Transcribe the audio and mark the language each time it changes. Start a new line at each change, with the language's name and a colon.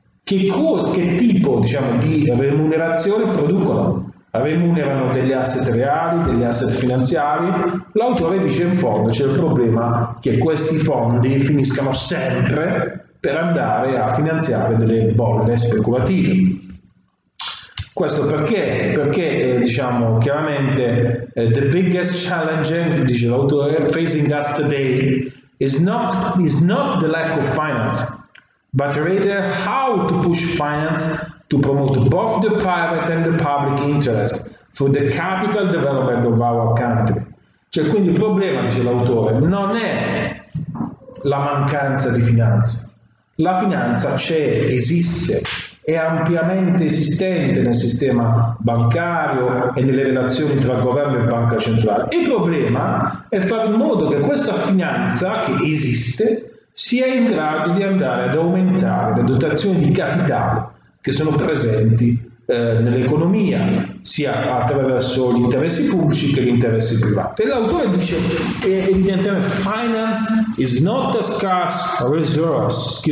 Italian: Che tipo, diciamo, di remunerazione producono? Remunerano degli asset reali, degli asset finanziari? L'autore dice in fondo c'è il problema che questi fondi finiscano sempre per andare a finanziare delle bolle speculative. Questo perché? Perché, diciamo, chiaramente,
English: the biggest challenge,
Italian: dice l'autore,
English: facing us today is not the lack of finance, but rather how to push finance to promote both the private and the public interest for the capital development of our country.
Italian: Cioè, quindi il problema, dice l'autore, non è la mancanza di finanza. La finanza c'è, esiste, è ampiamente esistente nel sistema bancario e nelle relazioni tra governo e banca centrale. Il problema è fare in modo che questa finanza, che esiste, sia in grado di andare ad aumentare le dotazioni di capitale che sono presenti nell'economia, sia attraverso gli interessi pubblici che gli interessi privati. E l'autore dice evidentemente:
English: finance is not a scarce resource.